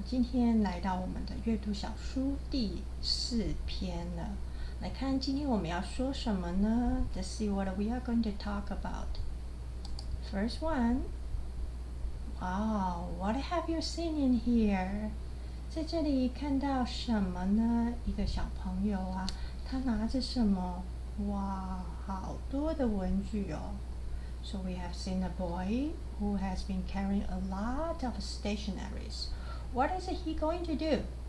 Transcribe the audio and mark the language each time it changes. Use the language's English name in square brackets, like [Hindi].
[Chinese] 今天来到我们的阅读小书第四篇了。来看今天我们要说什么呢？ [English] Let's see what we are going to talk about. First one. Wow, what have you seen in here? [Chinese] 在这里看到什么呢？一个小朋友啊，他拿着什么？哇，好多的文具哦。 [English] So we have seen a boy who has been carrying a lot of stationaries. What is he going to do?